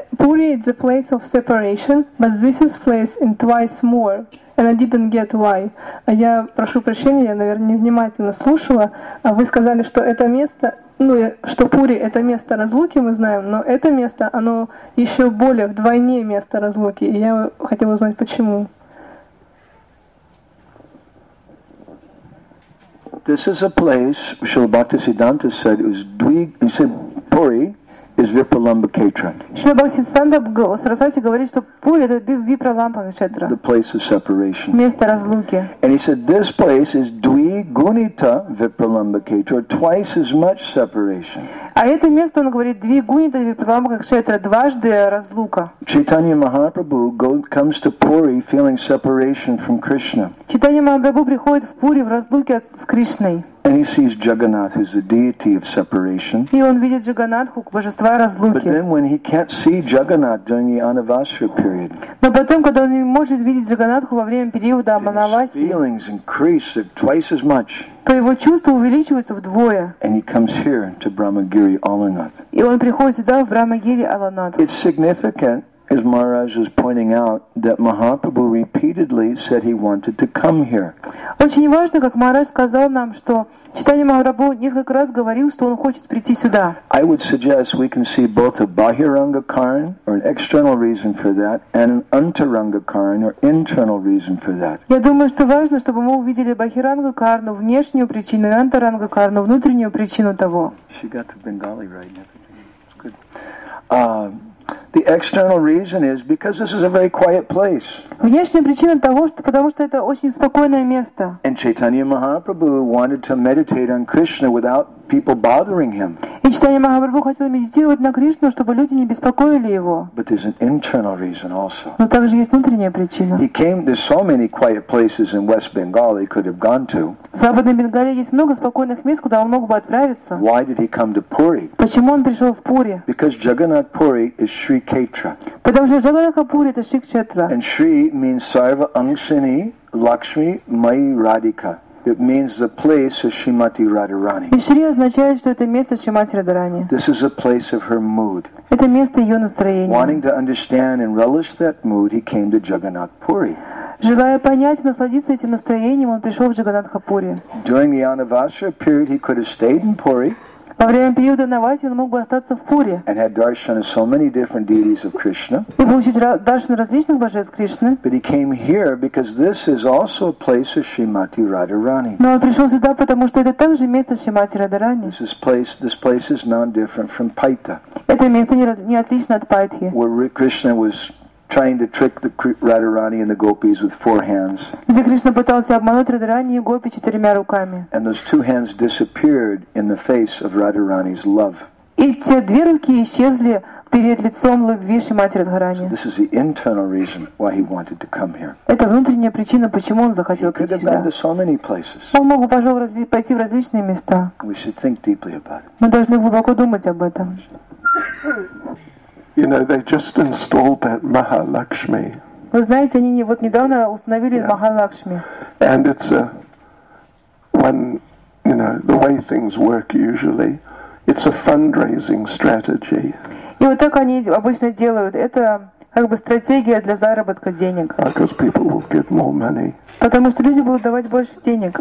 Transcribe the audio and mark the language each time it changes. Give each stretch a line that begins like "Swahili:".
English: Puri is a place of separation, but this is place in twice more. And I didn't get why.
Russian: Я прошу прощения, я, наверное, невнимательно слушала. Вы сказали, что это место, ну, что Пури – это место разлуки, мы знаем, но это место, оно еще более вдвойне место разлуки. И я хотела узнать, почему.
English: This is a place, Srila Bhaktisiddhanta said, is he said Puri is Vipralamba Kshetra.
Russian: Srila Bhaktisiddhanta Sarasvati говорит, что Пури это Випраламба Кшетра.
English: The place of separation.
Russian: Место разлуки.
English: And he said this place is Dwi Gunita Vipralamba Kshetra, twice as much separation.
Russian: А это место, он говорит, Dwi Gunita Vipralamba Kshetra, дважды разлука.
English: Chaitanya Mahaprabhu comes to Puri feeling separation from Krishna.
Russian: Chaitanya Mahaprabhu приходит в Пури в разлуке с Кришной.
English: And he sees Jagannath, who's the deity of separation.
Russian: И он видит Джаганатху, божества разлуки.
English: But then, when he can't see Jagannath during the Anavasya period,
Russian: но потом, когда он не может видеть Джаганатху во время периода Анавасии,
English: his feelings increase twice as much.
Russian: То его чувства увеличиваются вдвое.
English: And he comes here to Brahmagiri Alanath.
Russian: И он приходит сюда в Брахмагири Аланат.
English: It's significant, as Maharaj is pointing out, that Mahaprabhu repeatedly said he wanted to come here.
Russian: Очень важно, как Махарадж сказал нам, что Чайтанья Махапрабху несколько раз говорил, что он хочет прийти сюда.
English: I would suggest we can see both a bahiranga karan or an external reason for that, and an antaranga karan or internal reason for that.
Russian: Я думаю, что важно, чтобы мы увидели бахиранга карну, внешнюю причину, и антаранга карну, внутреннюю причину того.
English: She got to Bengali right now. It's good. The external reason is because this is a very quiet place.
Russian: Внешняя причина того, что потому что это очень спокойное место.
English: And Chaitanya Mahaprabhu wanted to meditate on Krishna without people bothering him.
Russian: И Чайтанья Махапрабху хотел медитировать на Кришну, чтобы люди не беспокоили его.
English: But there's an internal reason also.
Russian: Но также есть внутренняя причина.
English: He came. There's so many quiet places in West Bengal he could have gone to.
Russian: В Западной Бенгалии есть много спокойных мест, куда он мог бы отправиться.
English: Why did he come to Puri?
Russian: Почему он пришел в Пури?
English: Because Jagannath Puri is Shri Kshetra.
Russian: Потому что Jagannath Puri это Шри Кшетра.
English: And Shri means Sarva Angshini Lakshmi Mai Radhika. It means the place of Shrimati Radharani.
Russian: И Шри означает, что это место Шримати Радхарани.
English: This is a place of her mood.
Russian: Это место ее настроения.
English: Wanting to understand and relish that mood, he came to Jagannath Puri.
Russian: Желая понять и насладиться этим настроением, он пришел в Джаганнатха Пури.
English: During the Anavasya period, he could have stayed in Puri.
Russian: Во время периода Навасии он мог бы остаться в Пури.
English: And had darshan of so many different deities of Krishna.
Russian: И получить даршан различных божеств Кришны.
English: But he came here because this is also a place of Shrimati Radharani.
Russian: Но он пришел сюда, потому что это также место Шримати Радхарани.
English: This place is non different from Paita.
Russian: Это место не отлично от Пайтхи.
English: Where Krishna was trying to trick the Radharani and the gopis with four hands.
Russian: Где Кришна пытался обмануть Радхарани и гопи четырьмя руками.
English: And those two hands disappeared in the face of Radharani's love.
Russian: И те две руки исчезли перед лицом любви Шримати Радхарани.
English: So this is the internal reason why he wanted to come here.
Russian: Это внутренняя причина, почему он захотел прийти сюда.
English: He could have been to so many places.
Russian: Он мог пойти в различные места.
English: We should think deeply about it.
Russian: Мы должны глубоко думать об этом.
English: You know, they just installed that Mahalakshmi.
Russian: Вы знаете, они вот недавно установили Mahalakshmi.
English: And it's a when you know the way things work usually, it's a fundraising strategy.
Russian: И вот так они обычно делают. Это как бы стратегия для заработка денег.
English: Because people will get more money.
Russian: Потому что люди будут давать больше денег.